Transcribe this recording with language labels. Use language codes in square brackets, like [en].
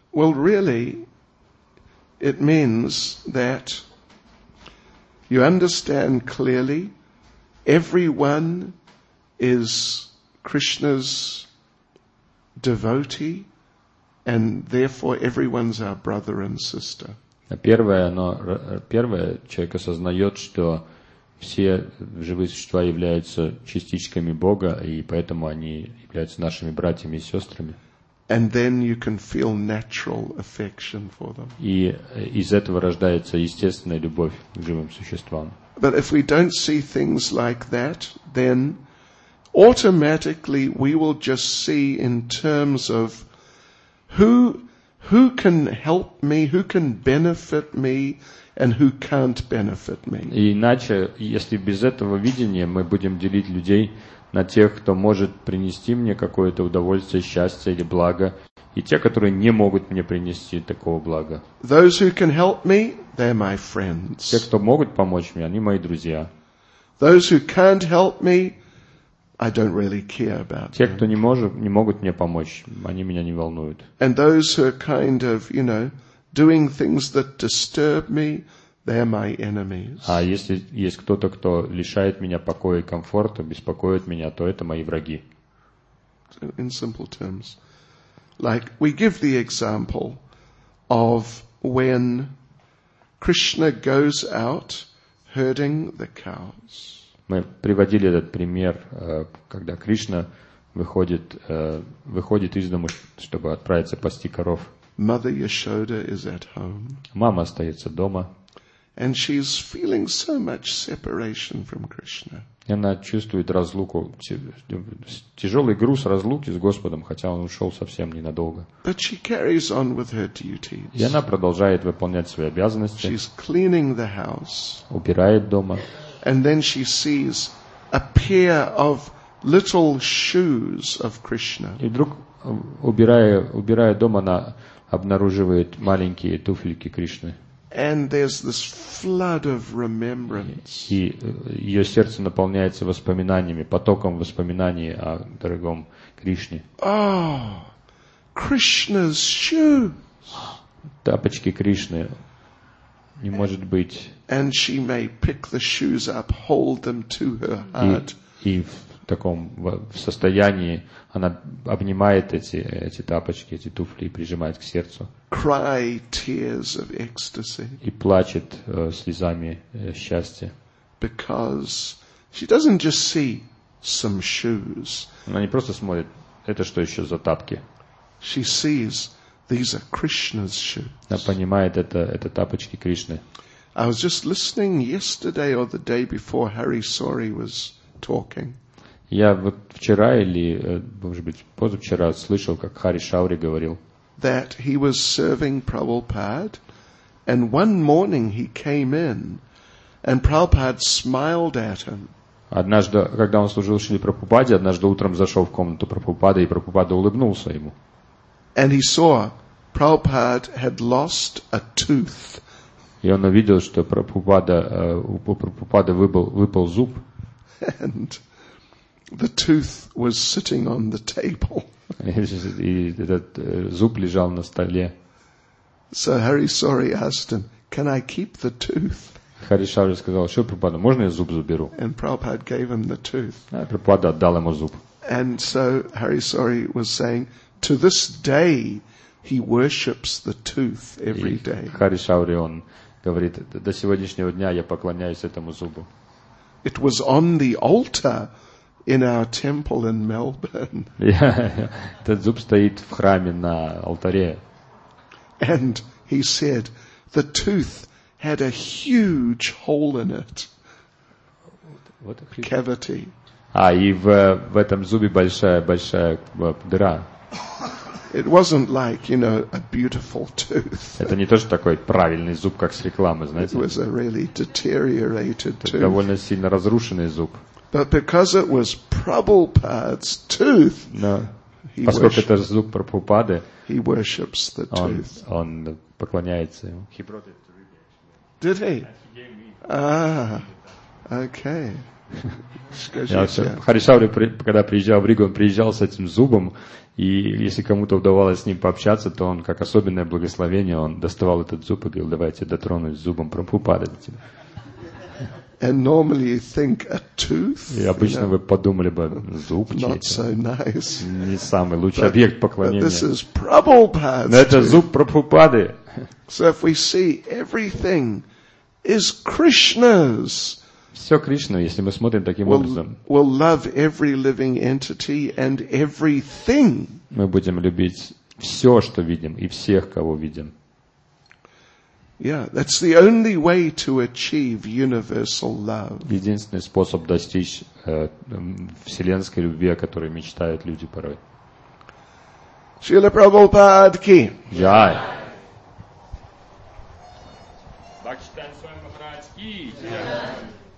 [en] Well, really, it means that you understand clearly everyone is Krishna's devotee, and therefore everyone's our brother and sister. [ru] Первое, человек осознает, что все живые существа являются частичками Бога, и поэтому они являются нашими братьями и сестрами. [en] And then you can feel natural affection for them. [ru] И из этого рождается естественная любовь к живым существам. [en] But if we don't see things like that, then automatically we will just see in terms of who can help me, who can benefit me, and who can't benefit me. [ru] Иначе, если без этого видения, мы будем делить людей на тех, кто может принести мне какое-то удовольствие, счастье или благо, и те, которые не могут мне принести такого блага. [en] Those who can help me, they're my friends. [ru] Те, кто могут помочь мне, они мои друзья. [en] Those who can't help me, I don't really care about them. [ru] Те, кто не могут мне помочь, они меня не волнуют. [en] And those who are kind of, you know, doing things that disturb me, they're my enemies. [ru] А если есть кто-то, кто лишает меня покоя и комфорта, беспокоит меня, то это мои враги. [en] In simple terms, like we give the example of when Krishna goes out herding the cows. [ru] Мы приводили этот пример, когда Кришна выходит из дому, чтобы отправиться пасти коров. [en] Mother Yashoda is at home. [ru] Мама остается дома. [en] And she is feeling so much separation from Krishna. [ru] И она чувствует разлуку, тяжелый груз разлуки с Господом, хотя он ушел совсем ненадолго. [en] But she carries on with her duties. [ru] И она продолжает выполнять свои обязанности. [en] She's cleaning the house. [ru] Убирает дома. [en] And then she sees a pair of little shoes of Krishna. [ru] И вдруг, убирая дома, она обнаруживает маленькие туфельки Кришны. [en] And there's this flood of remembrance. [ru] И ее сердце наполняется воспоминаниями, потоком воспоминаний о дорогом Кришне. [en] Oh, Krishna's shoes. [ru] Тапочки Кришны. Не может быть. [en] And she may pick the shoes up, hold them to her heart. [ru] И в таком состоянии она обнимает эти тапочки, эти туфли и прижимает к сердцу. [en] Cry tears of ecstasy. [ru] И плачет слезами счастья. [en] Because she doesn't just see some shoes. [ru] Она не просто смотрит, это что еще за тапки. [en] She sees these are Krishna's shoes. [ru] Она понимает, это тапочки Кришны. [en] I was just listening yesterday or the day before Hari Sori was talking. [ru] Я вот вчера или, может быть, позавчера слышал, как Хари Шаури говорил. [en] That he was serving Prabhupada, and one morning he came in, and Prabhupada smiled at him. [ru] Однажды, когда он служил Шри Прабхупаде, однажды утром зашел в комнату Прабхупады, и Прабхупада улыбнулся ему. [en] And he saw Prabhupada had lost a tooth. [ru] И он увидел, что у Прабхупады выпал зуб. [en] And the tooth was sitting on the table. [ru] И этот зуб лежал на столе. [en] So Hari Sori asked him, "Can I keep the tooth?" [ru] Хари Шаури сказал: "Что, Прабхупада, можно я зуб заберу?" [en] And Prabhupada gave him the tooth. [ru] А Прабхупада отдал ему зуб. [en] And so Hari Sori was saying, "To this day, he worships the tooth every day." [ru] Хари Шаури он говорит: "До сегодняшнего дня я поклоняюсь этому зубу." [en] It was on the altar in our temple in Melbourne. [ru] Этот зуб стоит в храме на алтаре. [en] And he said the tooth had a huge hole in it. What a cavity. [ru] А и в этом зубе большая дыра. [en] It wasn't like, you know, a beautiful tooth. [ru] Это не то, что такой правильный зуб, как с рекламы, знаете. [en] It was a really deteriorated tooth. [ru] Довольно сильно разрушенный зуб. [en] But because it was Prabhupada's tooth, no. [ru] Поскольку это зуб Прабхупады, [en] he worships the tooth. [ru] Он поклоняется ему. [en] He brought it to me. Did he? He gave me. Ah, okay. [ru] Скажите. Харишаури, когда приезжал в Ригу, он приезжал с этим зубом, и если кому-то удавалось с ним пообщаться, то он, как особенное благословение, он доставал этот зуб и говорил: давайте дотронусь зубом, Прабхупада до тебя. [en] And normally you think a tooth. [ru] И обычно вы подумали бы зуб. [en] Not so nice. [ru] Не самый лучший объект поклонения. [en] This is Prabhupada. [ru] Но это зуб Прабхупады. [en] So if we see everything is Krishna's. [ru] Все Кришна, если мы смотрим таким образом. [en] We'll love every living entity and everything. [ru] Мы будем любить все, что видим, и всех, кого видим. [en] Yeah, that's the only way to achieve universal love. [ru] Единственный способ достичь вселенской любви, о которой мечтают люди порой. [hi] Шрила Прабхупад ки. Джай. Бхактисиддханта Махарадж ки. Джай.